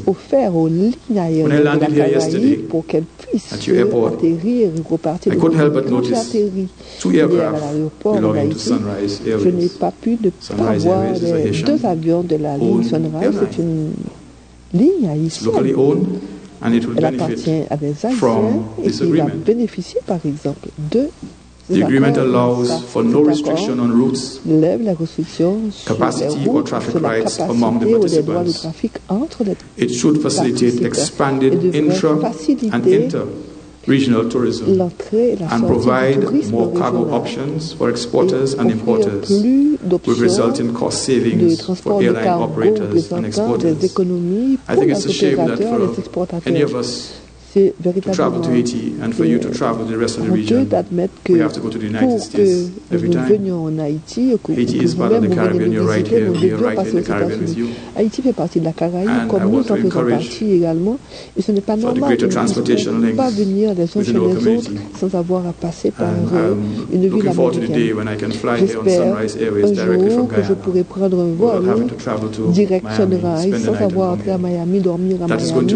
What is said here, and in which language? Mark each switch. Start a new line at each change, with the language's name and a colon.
English: When I landed here yesterday at your airport, I couldn't help but notice two aircraft belonging to Sunrise Airways. Sunrise Airways is a Haitian-owned airline. It's locally owned And it will
French: elle appartient à des Haïtiens et il va bénéficier, par exemple, de
English: the agreement allows for no restriction on routes, capacity or traffic rights among the participants. It should facilitate expanded intra and inter-regional tourism and provide more cargo options for exporters and importers, with resulting cost savings for airline operators and exporters. I think it's a shame that for any of us to travel to Haiti and for you to travel to the rest of the region, we have to go to the United States every time. Haiti is part of the Caribbean, you're right here, we are right here in the Caribbean with you.
French: Haiti fait partie de la Caraïbe, comme nous en faisons partie également. Et ce n'est pas normal de ne pas venir les uns chez les autres sans avoir à passer par une ville américaine. J'espère un jour que je pourrai prendre un vol direct sur le rail sans avoir à aller à Miami, dormir à Miami